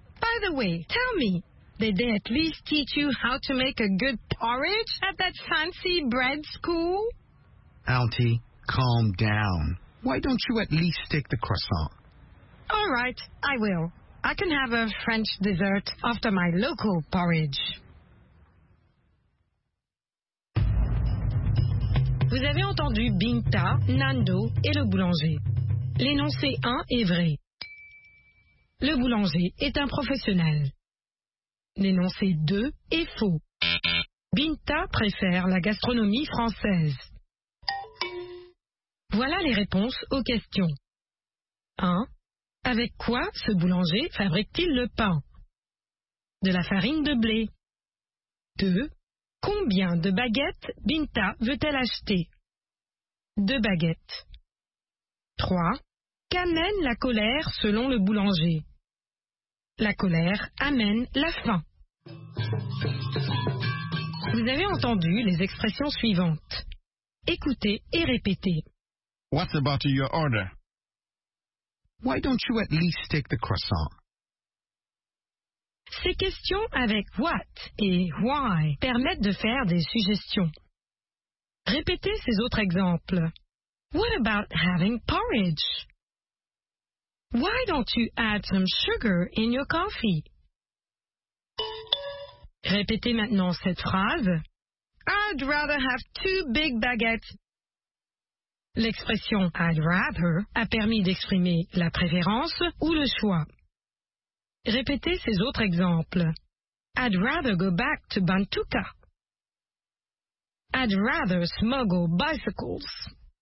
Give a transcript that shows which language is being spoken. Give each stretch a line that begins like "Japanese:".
English: By the way, tell me, did they at least teach you how to make a good porridge at that fancy bread school? Auntie, calm down. Why don't you at least take the croissant? All right, I will. I can have a French dessert after my local porridge.
French: Vous avez entendu Binta, Nando et le boulanger. L'énoncé 1 est vrai. Le boulanger est un professionnel. L'énoncé 2 est faux. Binta préfère la gastronomie française. Voilà les réponses aux questions. 1. Avec quoi ce boulanger fabrique-t-il le pain? De la farine de blé. 2. Combien de baguettes Binta veut-elle acheter? 2 baguettes. 3. Qu'amène la colère selon le boulanger? La colère amène la faim. Vous avez entendu les expressions suivantes. Écoutez et répétez.
English: What about your order? Why don't you at least take the croissant?
French: Ces questions avec what et why permettent de faire des suggestions. Répétez ces autres exemples.
English: What about having porridge? Why don't you add some sugar in your coffee?
French: Répétez maintenant cette phrase.
English: I'd rather have 2 big baguettes.
French: L'expression « I'd rather » a permis d'exprimer la préférence ou le choix. Répétez ces autres exemples.
English: « I'd rather go back to Bantuka. »« I'd rather smuggle bicycles. »